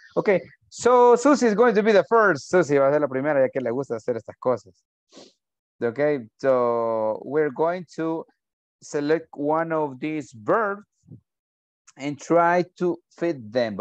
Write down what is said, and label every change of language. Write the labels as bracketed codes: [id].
[en] Okay, so Susie is going to be the first. [es] Susie va a ser la primera, ya que le gusta hacer estas cosas. [en] Okay, so we're going to select one of these verbs and try to fit them.